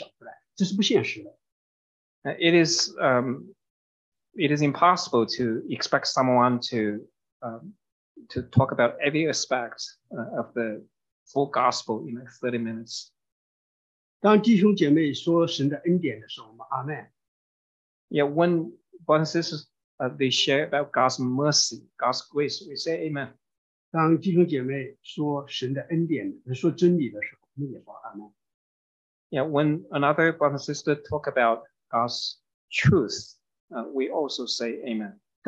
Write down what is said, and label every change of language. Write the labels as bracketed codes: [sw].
[zh] 我们常常讲要传全备的福音，就期望这一个传福音的人在那个30分钟内就把这个福音的全面面、方方面面都讲出来，这是不现实的。 [en] It is impossible to expect someone to talk about every aspect of the full gospel in like 30 minutes. [zh] 当弟兄姐妹说神的恩典的时候，我们阿门。 [en] Yeah, when brothers and sisters they share about God's mercy, God's grace, we say Amen. [zh] 当弟兄姐妹说神的恩典，说真理的时候，我们也说阿门。 [en] Yeah, when another brother and sister talk about God's truth, we also say Amen.